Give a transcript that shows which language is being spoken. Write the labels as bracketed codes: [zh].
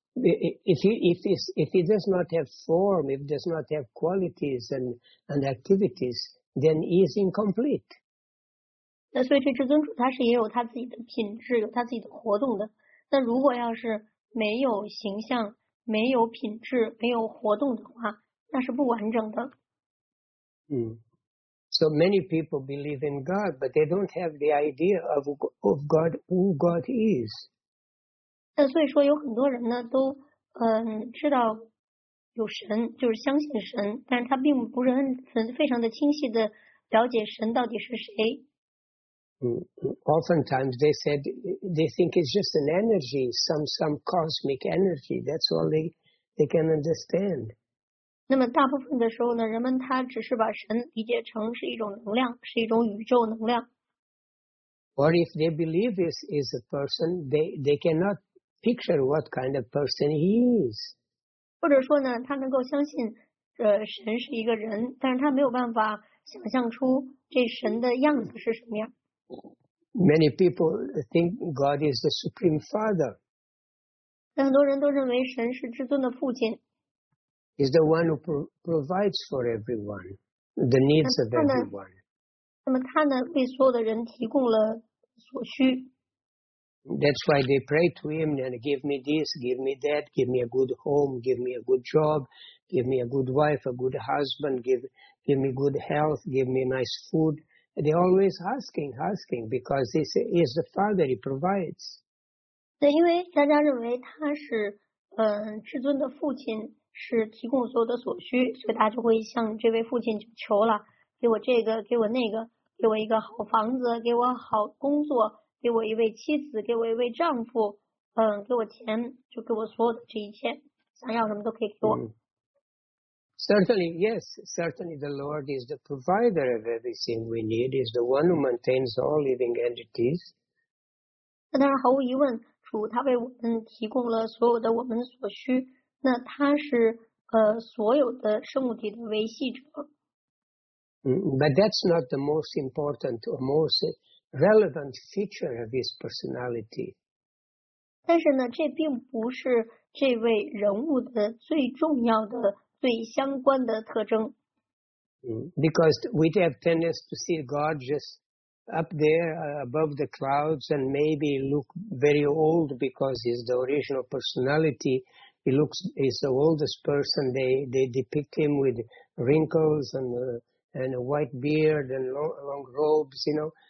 [en] If he does not have form, if he does not have qualities and activities, then he is incomplete. [zh] 那所以这至尊主他是也有他自己的品质，有他自己的活动的。那如果要是没有形象、没有品质、没有活动的话，那是不完整的。 [en] So many people believe in God, but they don't have the idea of God, who God is. [zh] 那所以说有很多人呢都知道有神，就是相信神，但是他并不是很非常的清晰的了解神到底是谁。 [en] Oftentimes they said they think it's just an energy, some cosmic energy, that's all they can understand. [zh] 那么大部分的时候呢，人们他只是把神理解成是一种能量，是一种宇宙能量。 [en] Or if they believe this is a person, they cannot. Picture what kind of person he is. [zh] 或者说呢，他能够相信，神是一个人，但是他没有办法想象出这神的样子是什么样。 [en] Many people think God is the Supreme Father. [zh] 很多人都认为神是至尊的父亲。 [en] Is the one who provides for everyone the needs of everyone. [zh] 那么他呢，为所有的人提供了所需。 [en] That's why they pray to him and give me this, give me that, give me a good home, give me a good job, give me a good wife, a good husband, give me good health, give me nice food. They're always asking, because this is the father he provides. [zh] 对，因为大家认为他是至尊的父亲，是提供所有的所需，所以大家就会向这位父亲就求了，给我这个，给我那个，给我一个好房子，给我好工作。给我一位妻子，给我一位丈夫，给我钱，就给我所有的这一切，想要什么都可以给我。 [en] Certainly, yes. Certainly, the Lord is the provider of everything we need. Is the one who maintains all living entities. [zh] 那当然，毫无疑问，主他为我们提供了所有的我们所需。那他是所有的生物体的维系者。 [en] But that's not the most important or most relevant feature of his personality. [zh] 但是呢，这并不是这位人物的最重要的、最相关的特征。 [en] Because we have tendency to see God just up there, above the clouds, and maybe look very old because he's the original personality. He's the oldest person. They depict him with wrinkles and a white beard and long robes, you know.